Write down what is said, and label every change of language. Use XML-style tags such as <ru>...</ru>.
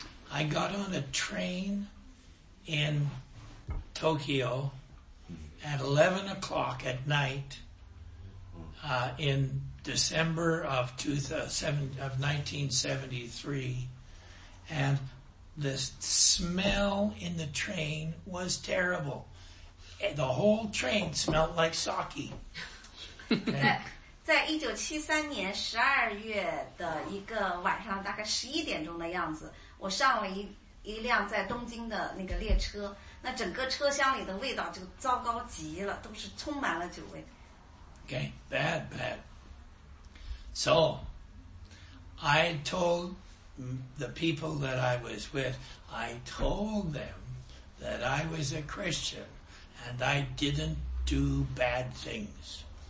<en>I got on a train in Tokyo at 11 o'clock at night in December of 1973, and the smell in the train was terrible. The whole train smelled like sake.</en> <zh>在1973年12月的一个晚上，大概11点钟的样子，我上了一辆在东京的那个列车，那整个车厢里的味道就糟糕极了，都是充满了酒味。Okay,</zh> <en>bad, bad. So, I told the people that I was with, I told them that I was a Christian and I didn't do bad things.</en>